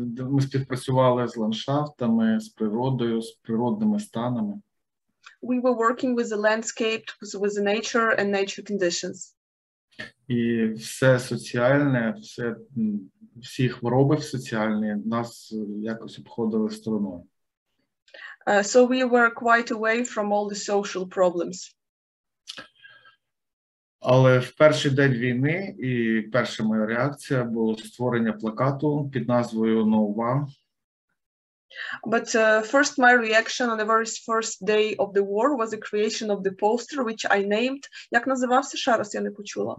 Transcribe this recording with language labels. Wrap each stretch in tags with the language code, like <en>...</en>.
<uk>Ми співпрацювали з ландшафтами, з природою, з природними станами.</uk> <en>We were working with the landscape, with the nature and nature conditions.</en> <uk>І все соціальне, все, всі хвороби соціальні нас якось обходили стороною.</uk> <en>So we were quite away from all the social problems.</en> <uk>Але в перший день війни і перша моя реакція була створення плакату під назвою No One.</uk> <en>But first my reaction on the very first day of the war was the creation of the poster which I named,</en> <uk>як називався, ще раз я не почула.</uk>